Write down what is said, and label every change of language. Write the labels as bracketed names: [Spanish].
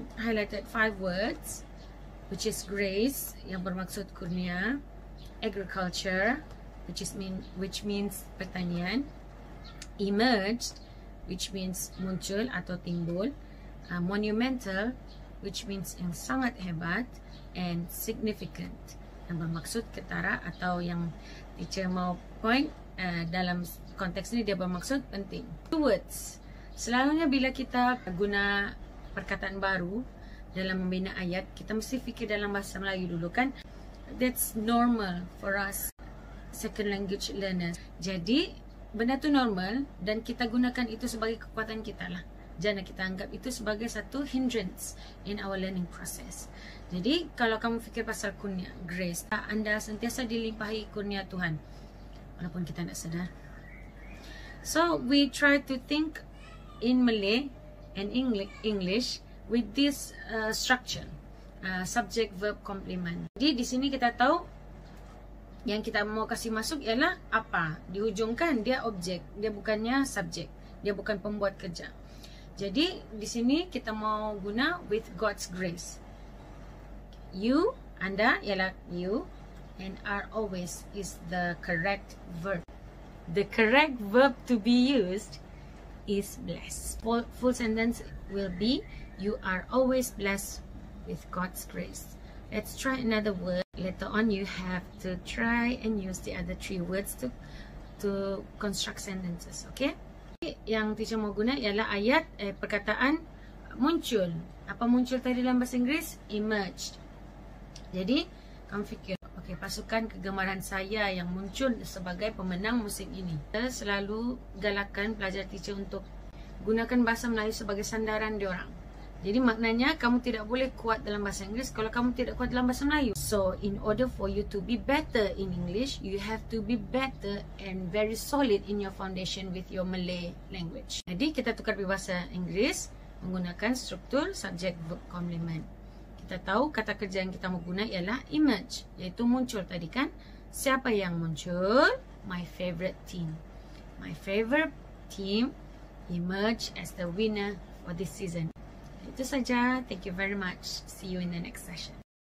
[English] Highlighted 5 words, which is grace, [Malay] yang bermaksud kurnia, [English] agriculture, which means [Malay] pertanian, [English] emerged, which means [Malay] muncul atau timbul, [English] monumental, which means [Malay] yang sangat hebat, [English] and significant, [Malay] yang bermaksud ketara atau yang teacher mau point dalam konteks ini dia bermaksud penting. [English] Two words. [Malay] Selalunya bila kita guna perkataan baru dalam membina ayat, kita mesti fikir dalam bahasa Melayu dulu kan. [English] That's normal for us second language learners. [Malay] Jadi benda tu normal dan kita gunakan itu sebagai kekuatan kita lah. Jangan kita anggap itu sebagai satu [English] hindrance in our learning process. [Malay] Jadi kalau kamu fikir pasal kurnia, grace, anda sentiasa dilimpahi kurnia Tuhan walaupun kita tak sedar. [English] So we try to think in Malay and English with this structure, subject, verb, complement. [Malay] Jadi di sini kita tahu yang kita mau kasih masuk ialah apa. Di hujung kan dia objek, dia bukannya subjek, dia bukan pembuat kerja. Jadi di sini kita mau guna [English] with God's grace. You, anda ialah you, and are always is the correct verb. The correct verb to be used is blessed. Full sentence will be, you are always blessed with God's grace. Let's try another word. Later on you have to try and use the other 3 words to construct sentences, okay? [Malay] Yang teacher mau guna ialah ayat, perkataan muncul. Apa muncul tadi dalam bahasa Inggeris? Emerged. Jadi, kamu fikir, ok, Okay, pasukan kegemaran saya yang muncul sebagai pemenang musim ini. Saya selalu galakkan pelajar teacher untuk gunakan bahasa Melayu sebagai sandaran diorang. Jadi maknanya kamu tidak boleh kuat dalam bahasa Inggeris kalau kamu tidak kuat dalam bahasa Melayu. [English] So in order for you to be better in English, you have to be better and very solid in your foundation with your Malay language. [Malay] Jadi kita tukar bahasa Inggeris menggunakan struktur subject verb complement. Kita tahu kata kerja yang kita mau guna ialah emerge, iaitu muncul tadi kan. Siapa yang muncul? [English] My favorite team. My favorite team emerge as the winner for this season. Itu saja. Thank you very much. See you in the next session.